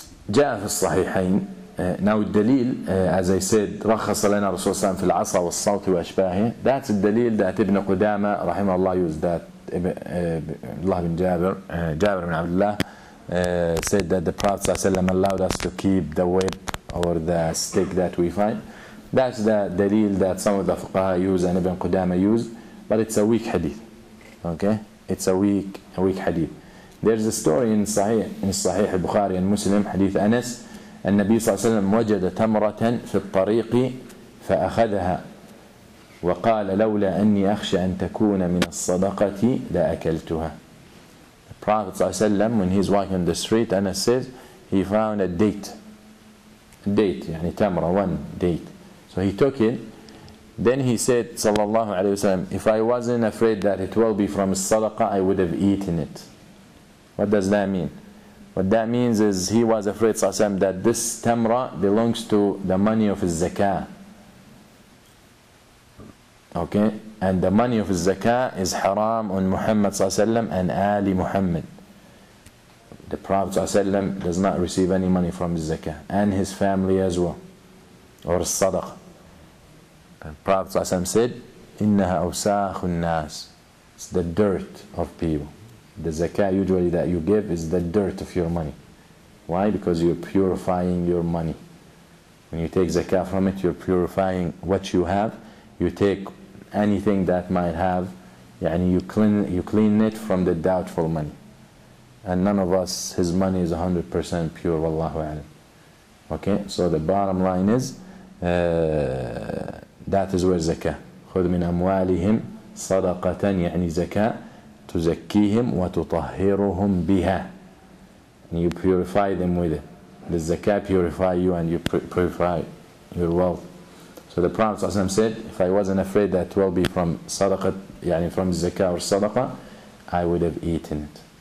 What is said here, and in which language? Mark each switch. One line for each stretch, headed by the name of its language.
Arabic: جاء في الصحيحين now الدليل
English: as I said
Arabic: رخص لنا رسول الله صلى الله عليه وسلم في العصا والصوت وأشباهه.
English: That's the
Arabic: دليل
English: that Ibn Qudama
Arabic: رحمه الله
English: used that Allah bin Jabir, Jabir bin Abdullah, said that the Prophet ﷺ allowed us to keep the whip or the stick that we find. That's the dalil that some of the fuqaha use and Ibn Qudama used, but it's a weak hadith. Okay? It's a weak hadith. There's a story in Sahih Bukhari and Muslim, hadith Anas, and Nabi ﷺ
Arabic: وجد تمرة في الطريق فأخذها وقال لولا أني أخشى أن تكون من الصدقة لأكلتها.
English: The Prophet ﷺ, when he's walking on the street, Anas says, he found a date. Date, يعني تمرة, one date. So he took it. Then he said, صلى الله عليه وسلم, if I wasn't afraid that it will be from الصدقة, I would have eaten it. What does that mean? What that means is he was afraid, صلى الله عليه وسلم, that this tamra belongs to the money of الزكاه. Okay? And the money of الزكاه is haram on Muhammad صلى الله عليه وسلم and Ali Muhammad. The Prophet صلى الله عليه وسلم does not receive any money from الزكاه and his family as well. Or الصدق. The Prophet صلى الله عليه وسلم said,
Arabic: إنها أوساخ الناس.
English: It's the dirt of people. The zakah usually that you give is the dirt of your money. Why? Because you're purifying your money. When you take zakah from it, you're purifying what you have. You take anything that might have, يعني you clean it from the doubtful money. And none of us, his money is 100% pure, wallahu a'lam. Okay, so the bottom line is, that is where zakah.
Arabic: خُذْ مِنْ أَمْوَالِهِمْ صَدَقَةً يعني zakah. تزكيهم وتطهرهم بها.
English: And you purify them with it. The zakah purify you and you purify your wealth. So the Prophet ﷺ said, if I wasn't afraid that it will be from sadaqah, يعني from zakah or sadaqah, I would have eaten it.